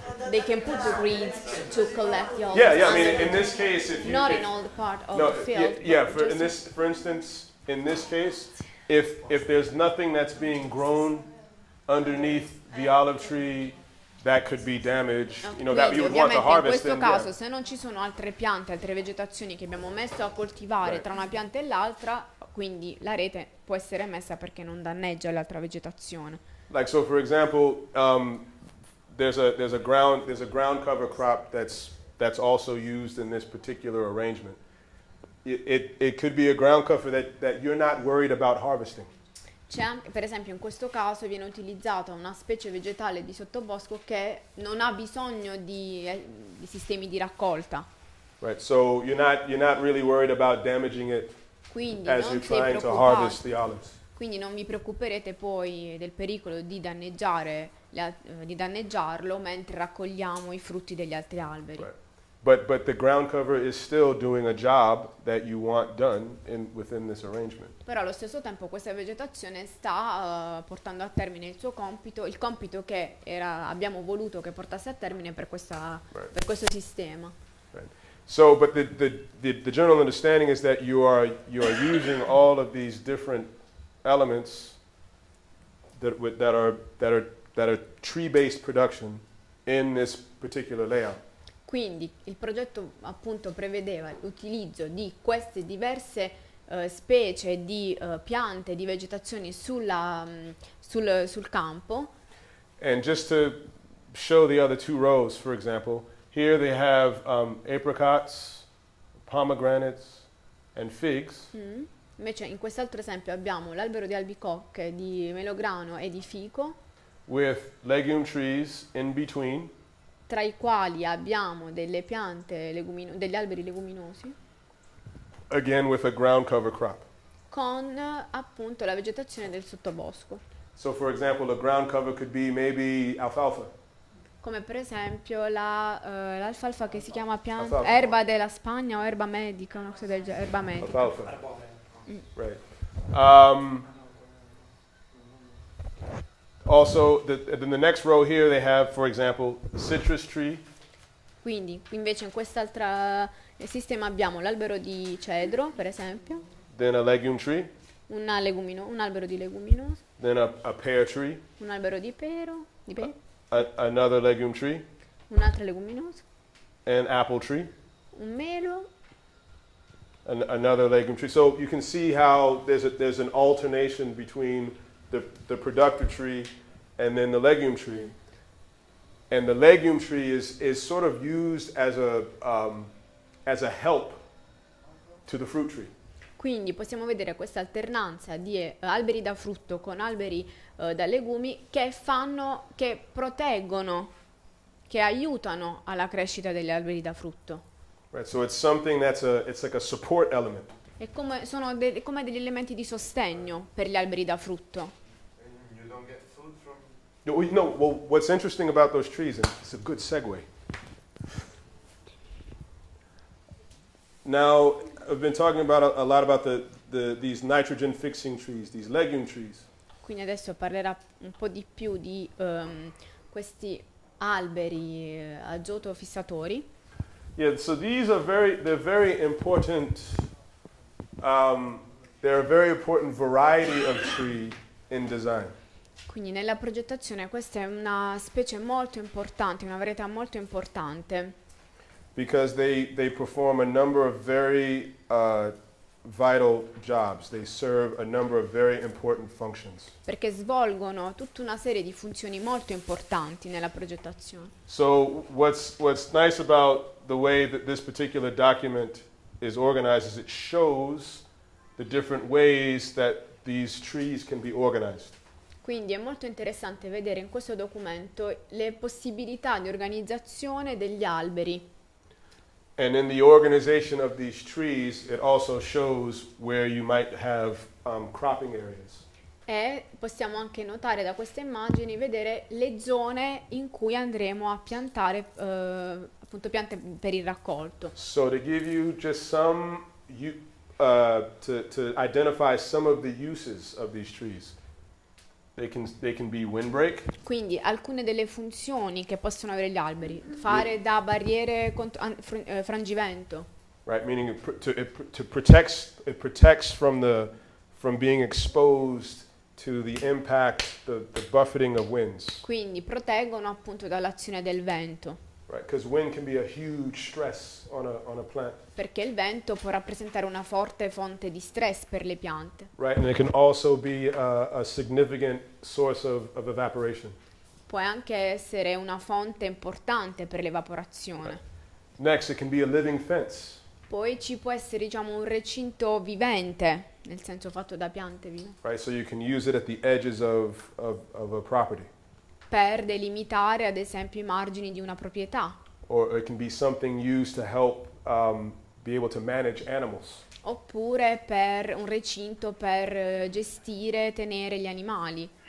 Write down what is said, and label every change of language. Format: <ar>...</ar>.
<en>They can put the grid to collect the olives. Yeah, yeah. I mean, in this case, if you not if, in all the part of no, the field. For instance, in this case, if there's nothing that's being grown underneath the olive tree that could be damaged, you know, that you would want to harvest.</en> <it>In questo caso,</it> <en>yeah.</en> <it>Se non ci sono altre piante, altre vegetazioni che abbiamo messo a coltivare</it> <en>right.</en> <it>Tra una pianta e l'altra, quindi la rete può essere messa perché non danneggia l'altra vegetazione.</it> <en>Like so, for example, there's a ground cover crop that's also used in this particular arrangement. It could be a ground cover that you're not worried about harvesting.</en> <it>C'è anche, per esempio, in questo caso viene utilizzata una specie vegetale di sottobosco che non ha bisogno di sistemi di raccolta.</it> <en>Right. So you're not really worried about damaging it.</en> <it>Quindi</it> <en>as</en> <it>non</it> <en>you're trying to harvest the olives.</en> <it>Quindi non vi preoccuperete poi del pericolo di danneggiarlo mentre raccogliamo i frutti degli altri alberi.</it> <en>Right. But the ground cover is still doing a job that you want done within this arrangement.</en> <it>Però allo stesso tempo questa vegetazione sta portando a termine il suo compito, il compito che abbiamo voluto che portasse a termine per questa</it> <en>right.</en> <it>Per questo sistema.</it> <en>Right. So, but the general understanding is that you are using all of these different elements that are tree-based production in this particular layout.</en> <it>Quindi il progetto appunto prevedeva l'utilizzo di queste diverse specie di piante di vegetazioni sul campo.</it> <en>And just to show the other two rows, for example, here they have apricots, pomegranates, and figs. Mm-hmm.</en> <it>Invece in quest'altro esempio abbiamo l'albero di albicocche, di melograno e di fico.</it> <en>With legume trees in between.</en> <it>Tra i quali abbiamo delle piante degli alberi leguminosi.</it> <en>Again with a ground cover crop.</en> <it>Con appunto la vegetazione del sottobosco.</it> <en>So for example a ground cover could be maybe alfalfa.</en> <it>Come per esempio l'alfalfa che si chiama pianta erba della Spagna o erba medica, una cosa del genere, erba medica.</it> <en>Alfalfa. Right. Also, in the next row here, they have, for example, the citrus tree.</en> <it>Quindi, invece, in quest'altra sistema abbiamo l'albero di cedro, per esempio.</it> <en>Then a legume tree.</en> <it>Un albero di leguminosi.</it> <en>Then a pear tree.</en> <it>Un albero di pero.</it> <en>Another legume tree.</en> <it>Un altro leguminoso.</it> <en>An apple tree.</en> <it>Un melo.</it> <en>Another legume tree. So you can see how there's an alternation between the productive tree and then the legume tree. And the legume tree is sort of used as a help to the fruit tree.</en> <it>Quindi possiamo vedere questa alternanza di alberi da frutto con alberi da legumi che aiutano alla crescita degli alberi da frutto.</it> <en>Right, so it's something that's it's like a support element.</en> <it>E come sono come degli elementi di sostegno per gli alberi da frutto.</it> <en>And you don't get food from. No, well, what's interesting about those trees, and it's a good segue. Now, I've been talking about a lot about these nitrogen fixing trees, these legume trees.</en> <it>Quindi adesso parlerà un po' di più di questi alberi azoto fissatori.</it> <en>Yeah, so these are very important. They're a very important variety of tree in design.</en> <it>Quindi nella progettazione questa è una specie molto importante, una varietà molto importante.</it> <en>Because they perform a number of very vital jobs. They serve a number of very important functions.</en> <it>Perché svolgono tutta una serie di funzioni molto importanti nella progettazione.</it> <en>So what's nice about the way that this particular document is organized is it shows the different ways that these trees can be organized.</en> <it>Quindi è molto interessante vedere in questo documento le possibilità di organizzazione degli alberi.</it> <en>And in the organization of these trees, it also shows where you might have cropping areas.</en> <it>E possiamo anche notare da queste immagini vedere le zone in cui andremo a piantare appunto piante per il raccolto.</it> <en>So to give you just some to identify some of the uses of these trees. They can be windbreak.</en> <it>Quindi alcune delle funzioni che possono avere gli alberi, fare da barriere contro frangivento.</it> <en>Right, meaning it protects from being exposed to the impact, the buffeting of winds.</en> <it>Quindi proteggono appunto dall'azione del vento.</it> <en>Right, because wind can be a huge stress on a plant.</en> <it>Perché il vento può rappresentare una forte fonte di stress per le piante.</it> <en>Right, and it can also be a significant source of evaporation.</en> <it>Può anche essere una fonte importante per l'evaporazione.</it> <en>Right. Next, it can be a living fence.</en> <it>Poi ci può essere, diciamo, un recinto vivente, nel senso fatto da piante vive.</it> <en>Right, so you can use it at the edges of a property.</en> <it>Per delimitare, ad esempio, i margini di una proprietà.</it> <en>Or it can be something used to help be able to manage animals.</en> <it>Oppure per un recinto per gestire e tenere gli animali.</it>